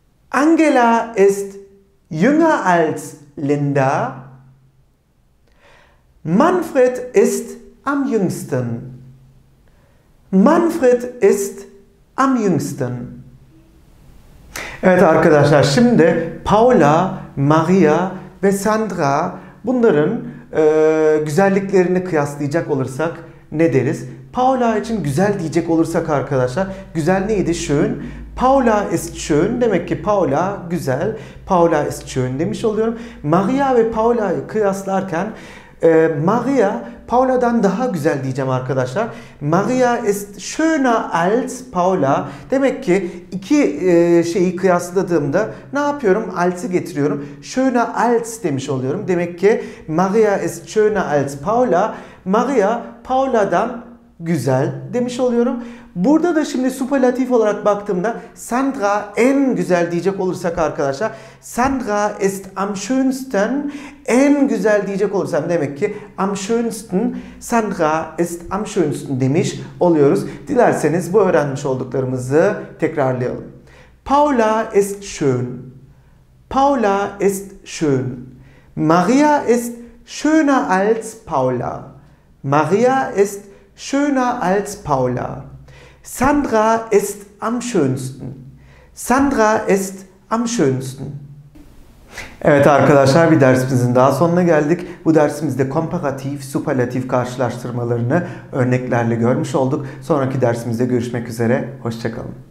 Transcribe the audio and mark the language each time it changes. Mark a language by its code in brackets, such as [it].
[de] Angela ist jünger als Linda. Manfred ist am jüngsten. Manfred ist am jüngsten. [tr] Evet arkadaşlar, şimdi Paula, Maria ve Sandra, bunların güzelliklerini kıyaslayacak olursak ne deriz? Paula için güzel diyecek olursak arkadaşlar, güzel neydi? [de] Schön. Paula ist schön. [tr] Demek ki Paula güzel. [de] Paula ist schön [tr] demiş oluyorum. Maria ve Paula'yı kıyaslarken Maria, Paula'dan daha güzel diyeceğim arkadaşlar. [de] Maria ist schöner als Paula. [tr] Demek ki iki şeyi kıyasladığımda ne yapıyorum? Als'ı getiriyorum. [de] Schöner als [tr] demiş oluyorum. Demek ki [de] Maria ist schöner als Paula. [tr] Maria, Paula'dan güzel demiş oluyorum. Burada da şimdi superlatif olarak baktığımda Sandra en güzel diyecek olursak arkadaşlar, [de] Sandra ist am schönsten, [tr] en güzel diyecek olursam demek ki [de] am schönsten, Sandra ist am schönsten [tr] demiş oluyoruz. Dilerseniz bu öğrenmiş olduklarımızı tekrarlayalım. [de] Paula ist schön. Paula ist schön. Maria ist schöner als Paula. Maria ist schöner als Paula. Sandra ist am schönsten. Sandra ist am schönsten. [tr] Evet arkadaşlar, bir dersimizin daha sonuna geldik. Bu dersimizde komparatif, superlatif karşılaştırmalarını örneklerle görmüş olduk. Sonraki dersimizde görüşmek üzere. Hoşça kalın.